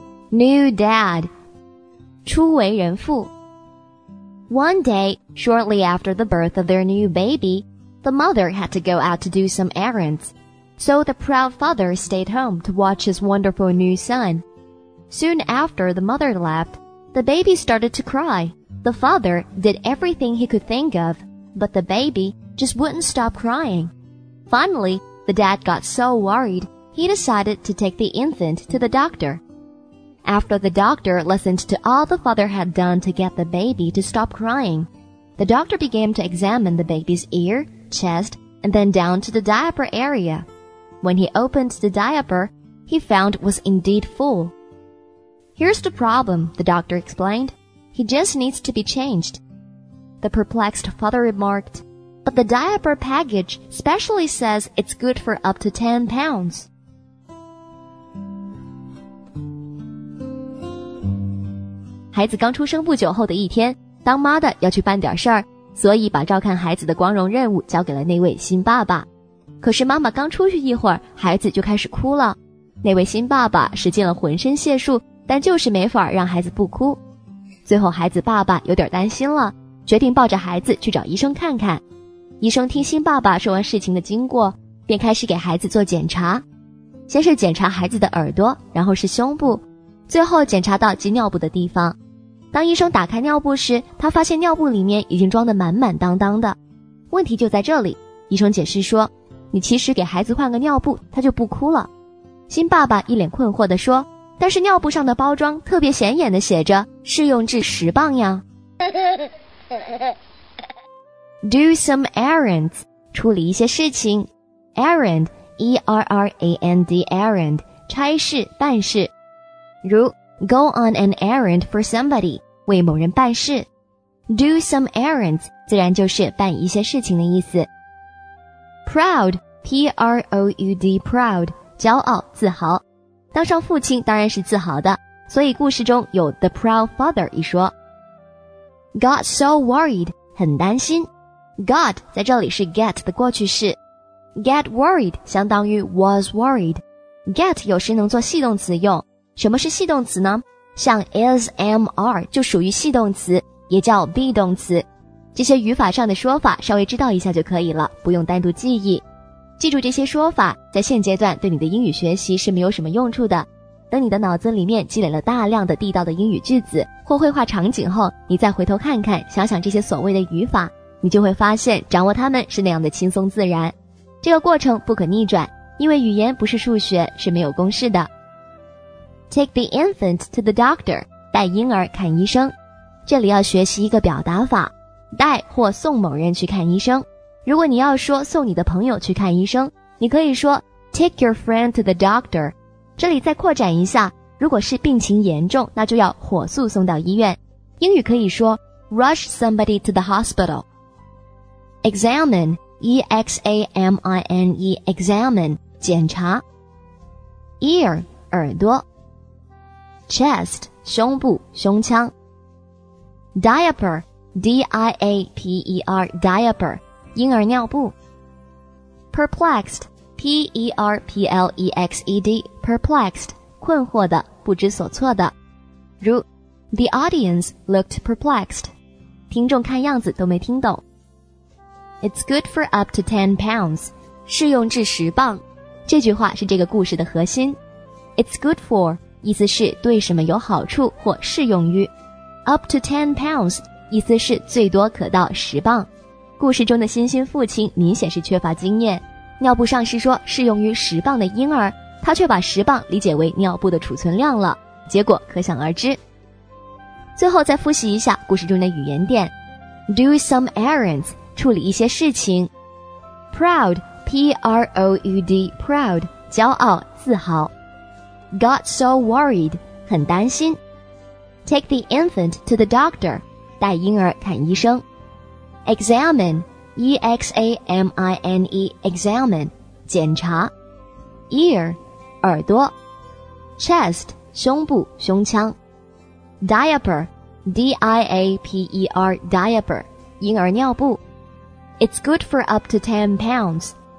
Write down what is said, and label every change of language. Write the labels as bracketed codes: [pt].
[en] New Dad, [zh] 初为人父。 [en] One day, shortly after the birth of their new baby, the mother had to go out to do some errands. So the proud father stayed home to watch his wonderful new son. Soon after the mother left, the baby started to cry. The father did everything he could think of, but the baby just wouldn't stop crying. Finally, the dad got so worried, he decided to take the infant to the doctor. After the doctor listened to all the father had done to get the baby to stop crying, the doctor began to examine the baby's ear, chest, and then down to the diaper area. When he opened the diaper, he found it was indeed full. Here's the problem, the doctor explained. He just needs to be changed. The perplexed father remarked, But the diaper package specially says it's good for up to 10 pounds. [zh] 孩子刚出生不久后的一天，当妈的要去办点事儿，所以把照看孩子的光荣任务交给了那位新爸爸。可是妈妈刚出去一会儿，孩子就开始哭了。那位新爸爸使尽了浑身解数，但就是没法让孩子不哭。最后孩子爸爸有点担心了，决定抱着孩子去找医生看看。医生听新爸爸说完事情的经过，便开始给孩子做检查。先是检查孩子的耳朵，然后是胸部，最后检查到挤尿布的地方。当医生打开尿布时，他发现尿布里面已经装得满满当当的。问题就在这里，医生解释说，你其实给孩子换个尿布，他就不哭了。新爸爸一脸困惑地说，但是尿布上的包装特别显眼地写着，适用至10磅呀。 [en] Do some errands, [zh] 处理一些事情。 [en] Errand, E-R-R-A-N-D, errand, [zh] 差事、办事。如 [en] go on an errand for somebody, [zh] 为某人办事。 Do some errands, 自然就是办一些事情的意思。 [en] Proud, P-R-O-U-D, proud, [zh] 骄傲、自豪。当上父亲当然是自豪的，所以故事中有 [en] the proud father [zh] 一说。 [en] Got so worried, [zh] 很担心。 Got 在这里是 get 的过去式。 [en] Get worried [zh] 相当于 [en] was worried。 [zh] Get 有时能做系动词用。什么是系动词呢？像 is, am, are 就属于系动词，也叫 be 动词。这些语法上的说法稍微知道一下就可以了，不用单独记忆。记住这些说法，在现阶段对你的英语学习是没有什么用处的。等你的脑子里面积累了大量的地道的英语句子或绘画场景后，你再回头看看，想想这些所谓的语法，你就会发现掌握它们是那样的轻松自然。这个过程不可逆转，因为语言不是数学，是没有公式的。 [en] Take the infant to the doctor, [zh] 带婴儿看医生。这里要学习一个表达法，带或送某人去看医生。如果你要说送你的朋友去看医生，你可以说 [en] take your friend to the doctor。 [zh] 这里再扩展一下，如果是病情严重，那就要火速送到医院。英语可以说 [en] rush somebody to the hospital。 Examine, E-X-A-M-I-N-E, examine, [zh] 检查。 [en] Ear, [zh] 耳朵。 [en] Chest, [zh] 胸部、胸腔。 [en] Diaper, D-I-A-P-E-R, diaper, [zh] 婴儿尿布。 [en] Perplexed, P-E-R-P-L-E-X-E-D, perplexed, [zh] 困惑的、不知所措的。 [en] 如 The audience looked perplexed. [zh] 听众看样子都没听懂。 [en] It's good for up to 10 pounds, [zh] 适用至10磅。这句话是这个故事的核心。 [en] It's good for... [zh] 意思是对什么有好处或适用于。 [en] Up to 10 pounds, [zh] 意思是最多可到10磅。故事中的新兴父亲明显是缺乏经验。尿布上是说适用于10磅的婴儿，他却把10磅理解为尿布的储存量了。结果可想而知。最后再复习一下故事中的语言点。 [en] Do some errands, [zh] 处理一些事情。 [en] Proud, P-R-O-U-D, proud, [zh] 骄傲、自豪。 [en] Got so worried, [zh] 很担心。 [en] Take the infant to the doctor, [zh] 带婴儿看医生。 [en] Examine, E-X-A-M-I-N-E, examine, [zh] 检查。 [en] Ear, [zh] 耳朵。 [en] Chest, [zh] 胸部、胸腔。 [en] diaper, D-I-A-P-E-R, diaper, [zh] 婴儿尿布。 [en] It's good for up to 10 pounds,